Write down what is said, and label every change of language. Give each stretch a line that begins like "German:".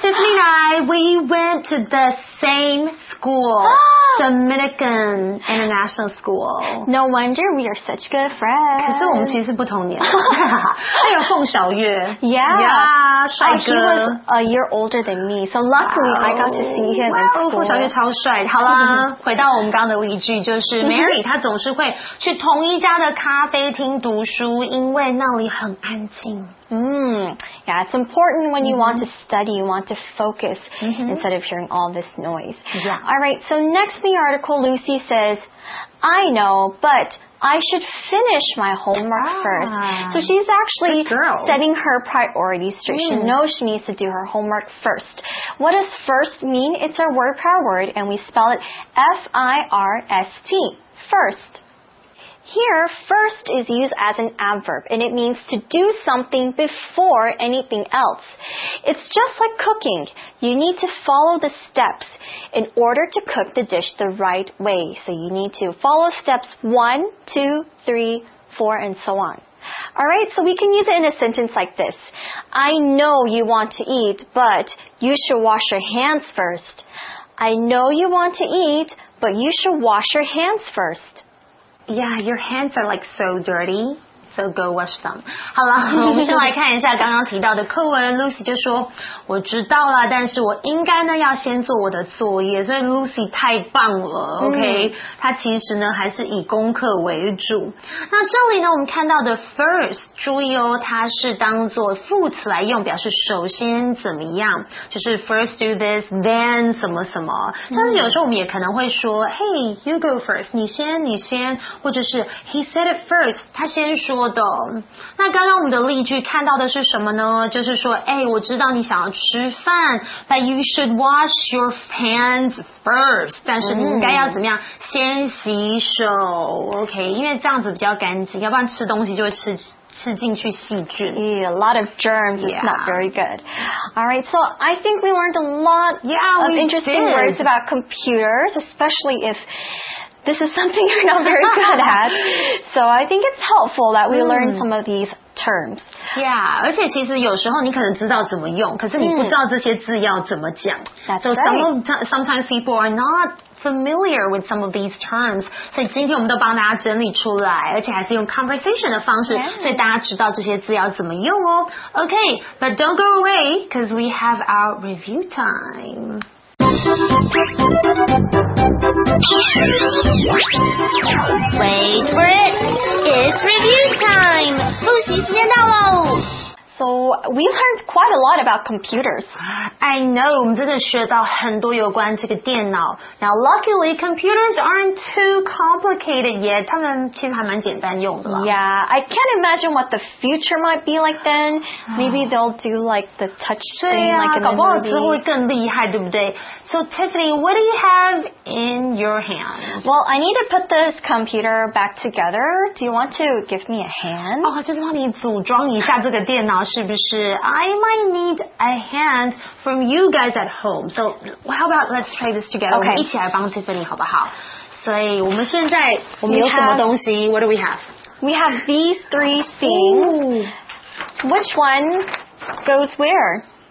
English: Tiffany and I, we went to the same school, Dominican International School. No wonder we are such good friends.
Chinese: 可是我们其实是不同年。还有凤小月。
English: Yeah.
Chinese: Yeah, 帅哥。
English: He was a year older than me, so luckily I got to see him in school.
Chinese: 凤小月超帅。好啦回到我们刚刚的例句就是 Mary, 她总是会去同一家的咖啡厅读书因为那里很安静。
English: Yeah, it's important when you want to study, you want to focus instead of hearing all this noise. Yeah. All right, so next in the article, Lucy says, I know, but I should finish my homework first. So she's actually setting her priorities straight. She knows she needs to do her homework first. What does first mean? It's our word power word, and we spell it F-I-R-S-T, first. Here, first is used as an adverb, and it means to do something before anything else. It's just like cooking. You need to follow the steps in order to cook the dish the right way. So you need to follow steps 1, 2, 3, 4, and so on. All right, so we can use it in a sentence like this. I know you want to eat, but you should wash your hands first. I know you want to eat, but you should wash your hands first. Yeah, your hands are like so dirty, so go wash them.
Chinese: 好了，我们先来看一下刚刚提到的课文。Lucy 就说，我知道了，但是我应该呢要先做我的作业。所以 Lucy 太棒了，OK？她其实呢还是以功课为主。那这里呢，我们看到的 first， 注意哦，它是当作副词来用，表示首先怎么样，就是
English: first do this, then
Chinese: 什么什么。像是有时候我们也可能会说，
English: Hey, you go first，
Chinese: 你先，你先，或者是
English: He said it first，
Chinese: 他先说。说的。那刚刚我们的例句看到的是什么呢？就是说，哎，我知道你想要吃饭 ，
English: but you should wash your hands first.
Chinese: 但是你应该要怎么样？先洗手 ，OK？因为这样子比较干净，要不然吃东西就会吃进去细菌。
English: Yeah, a lot of germs. It's not very good. All right, so I think we learned a lot of interesting words about computers, especially if. This is something you're not very good at. So I think it's helpful that we learn some of these terms.
Chinese: Yeah, 而且其实有时候你可能知道怎么用，可是你不知道这些字要怎么讲。
English: That's right. So sometimes people are not familiar with some of these terms.
Chinese: 所以今天我们都帮大家整理出来，而且还是用 conversation 的方式，所以大家知道这些字要怎么用哦。
English: Okay, but don't go away, because we have our review time. Wait for it! It's review time!
Chinese: 复习时间到喽！
English: So we learned quite a lot about computers. I know,
Chinese: 我们真的学到很多有关这个电脑。
English: Now, luckily, computers aren't too complicated yet.
Chinese: 他们其实还蛮简单用的。
English: Yeah, I can't imagine what the future might be like then. Maybe they'll do like the touch screen, like a memory.
Chinese: 搞不好之后会更厉害，对不对？
English: So Tiffany, what do you have in your hand? Well, I need to put this computer back together. Do you want to give me a hand?
Chinese: 哦，就是帮你组装一下这个电脑。是不是?
English: I might need a hand from you guys at home. So how about let's try this together? Okay.
Chinese: 我们一起来帮 Tiffany 好不好?所以我们现在我们有什么东西?
English: What do we have? We have these three things. Ooh. Which one goes where?